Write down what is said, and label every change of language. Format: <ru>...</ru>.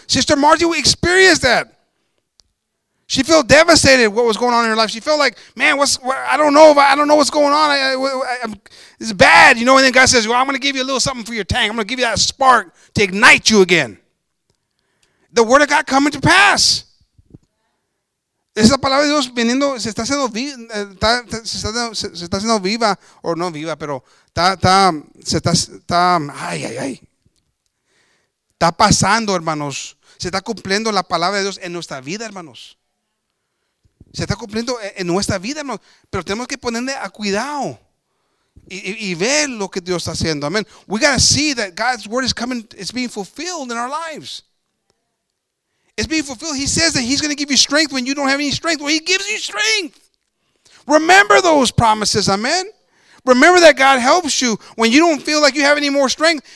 <en>Sister Margie, we experienced that. She felt devastated what was going on in her life. She felt like, man, I don't know what's going on. It's bad, you know. And then God says, well, I'm going to give you a little something for your tank. I'm going to give you that spark to ignite you again. The word of God coming to pass.</en> <es>Esa palabra de Dios viniendo, se está haciendo viva, o no viva, pero está pasando, hermanos. Se está cumpliendo la palabra de Dios en nuestra vida, hermanos. Se está cumpliendo en nuestra vida, hermanos. Pero tenemos que ponerle a cuidado y ver lo que Dios está haciendo. Amen.</es> <en>We got to see that God's word is coming, it's being fulfilled in our lives. It's being fulfilled. He says that he's going to give you strength when you don't have any strength. Well, he gives you strength. Remember those promises. Amen. Remember that God helps you when you don't feel like you have any more strength.</en>